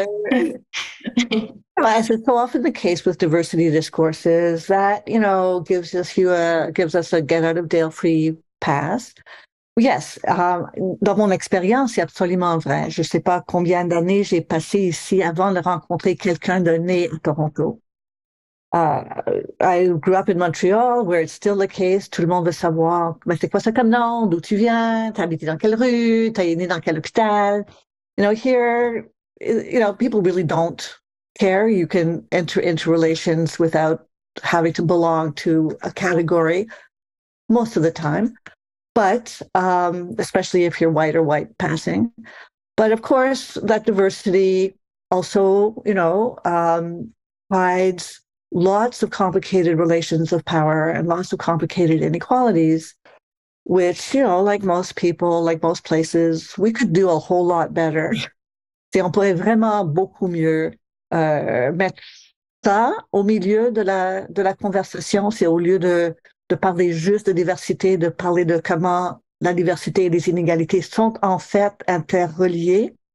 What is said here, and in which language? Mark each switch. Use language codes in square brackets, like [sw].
[en] Well, as is so often the case with diversity discourses, that, you know, gives us a get out of jail free pass. [fr] Yes, dans mon expérience, c'est absolument vrai. Je ne sais pas combien d'années j'ai passé ici avant de rencontrer quelqu'un de né à Toronto. [en] I grew up in Montreal, where it's still the case. [fr] Tout le monde veut savoir, mais c'est quoi ça comme nom? D'où tu viens? T'as habité dans quelle rue? T'as né dans quel hôpital? [en] You know, here, you know, people really don't care. You can enter into relations without having to belong to a category most of the time. But especially if you're white or white passing. But of course, that diversity also, you know, hides lots of complicated relations of power and lots of complicated inequalities, which, you know, like most people, like most places, we could do a whole lot better. [fr] Si on pouvait vraiment beaucoup mieux mettre ça au milieu de la conversation, c'est au lieu de parler juste de diversité, de parler de comment la diversité et les inégalités sont en fait interreliées.